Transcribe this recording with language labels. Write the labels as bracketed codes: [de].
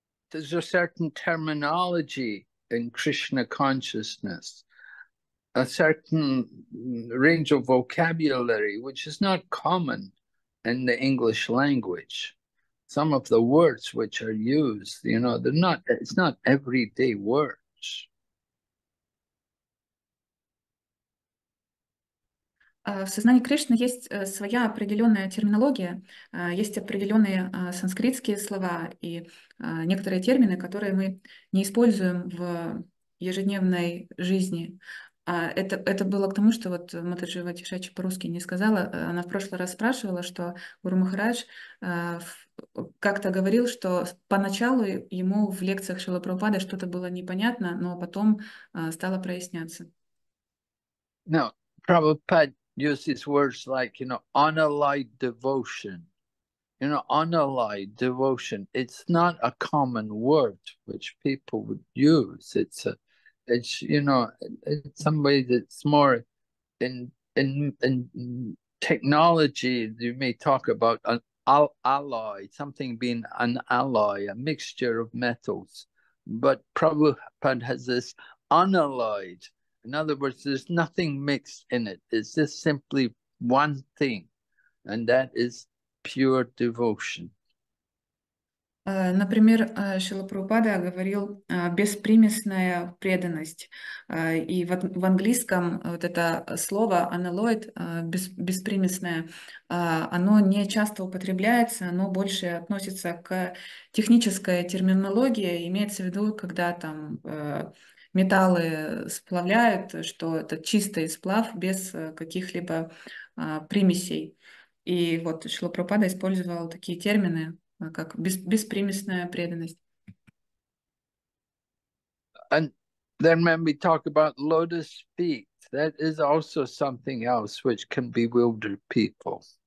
[en] There's a certain terminology in Krishna consciousness, a certain range of vocabulary, which is not common in the English language. Some of the words which are used, you know, it's not everyday words. [ru] В сознании Кришны есть своя определенная терминология, есть определенные санскритские слова и некоторые термины, которые мы не используем в ежедневной жизни. Это было к тому, что вот Матаджи Ватишачи по-русски не сказала. Она в прошлый раз спрашивала, что Гуру Махарадж как-то говорил, что поначалу ему в лекциях Шрилы Прабхупады что-то было непонятно, но потом стало проясняться. [en] No, Prabhupada uses words like, you know, unalloyed devotion. You know, unalloyed devotion. It's not a common word which people would use. It's you know, in some ways it's more in technology. You may talk about an alloy, something being an alloy, a mixture of metals. But Prabhupada has this unalloyed. In other words, there's nothing mixed in it. It's just simply one thing, and that is pure devotion. [ru] Например, Шрила Прабхупада говорил «беспримесная преданность». И в английском вот это слово «unalloyed», «беспримесное», оно не часто употребляется, оно больше относится к технической терминологии, имеется в виду, когда там металлы сплавляют, что это чистый сплав без каких-либо примесей. И вот Шрила Прабхупада использовал такие термины, как беспримесная преданность. [en] And then when we talk about lotus feet, that is also something else which can bewilder people.